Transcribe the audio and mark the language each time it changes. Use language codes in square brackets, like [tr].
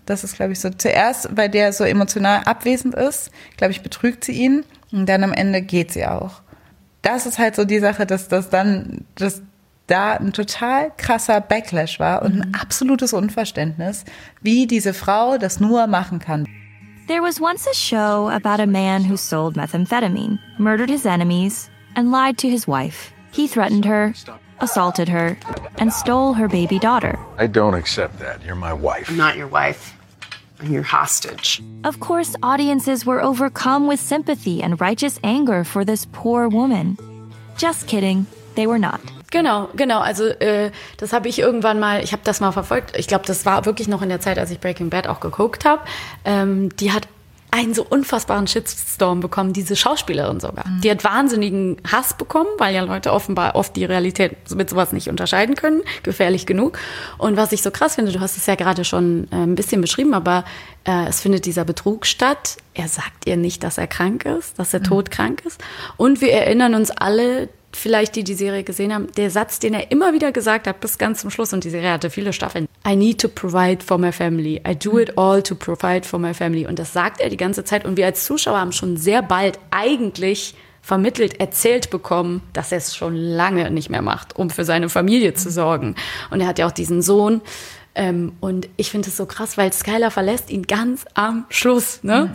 [de] Das ist, glaube ich, so zuerst, weil der so emotional abwesend ist, glaube ich, betrügt sie ihn und dann am Ende geht sie auch. Das ist halt so die Sache, dass da ein total krasser Backlash war und ein absolutes Unverständnis, wie diese Frau das nur machen kann. [en] There was once a show about a man who sold methamphetamine, murdered his enemies and lied to his wife. He threatened her, assaulted her, and stole her baby daughter. I don't accept that. You're my wife. I'm not your wife. and your hostage. Of course, audiences were overcome with sympathy and righteous anger for this poor woman. Just kidding, they were not. [de] Genau, genau. Also das habe ich irgendwann mal, ich habe das mal verfolgt. Ich glaube, das war wirklich noch in der Zeit, als ich Breaking Bad auch geguckt habe. Die hat einen so unfassbaren Shitstorm bekommen, diese Schauspielerin sogar. Mhm. Die hat wahnsinnigen Hass bekommen, weil ja Leute offenbar oft die Realität mit sowas nicht unterscheiden können, gefährlich genug. Und was ich so krass finde, du hast es ja gerade schon ein bisschen beschrieben, aber es findet dieser Betrug statt. Er sagt ihr nicht, dass er krank ist, dass er todkrank ist. Und wir erinnern uns alle, vielleicht die Serie gesehen haben, der Satz, den er immer wieder gesagt hat, bis ganz zum Schluss, und die Serie hatte viele Staffeln. [en] I need to provide for my family. I do it all to provide for my family. [de] Und das sagt er die ganze Zeit. Und wir als Zuschauer haben schon sehr bald eigentlich vermittelt, erzählt bekommen, dass er es schon lange nicht mehr macht, um für seine Familie zu sorgen. Und er hat ja auch diesen Sohn. Und ich finde es so krass, weil Skylar verlässt ihn ganz am Schluss. Ne? Mhm.